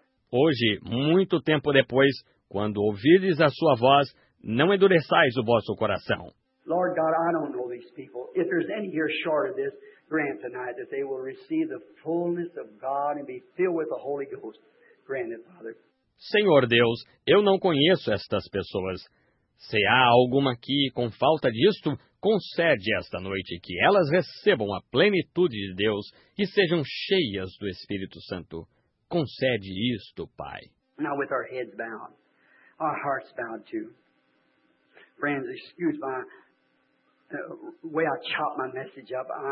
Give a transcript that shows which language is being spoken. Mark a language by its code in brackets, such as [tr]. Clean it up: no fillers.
[pt] Hoje, muito tempo depois, quando ouvires a sua voz, não endureçais o vosso coração. [en] Lord God, I don't know these people. If there's any here short of this, grant tonight that they will receive the fullness of God and be filled with the Holy Ghost. Grant it, Father. [pt] Senhor Deus, eu não conheço estas pessoas. Se há alguma aqui com falta disto, concede esta noite que elas recebam a plenitude de Deus e sejam cheias do Espírito Santo. Concede isto, Pai. [en] Now with our heads bowed, our hearts bowed too. Friends, excuse my way I chop my message up.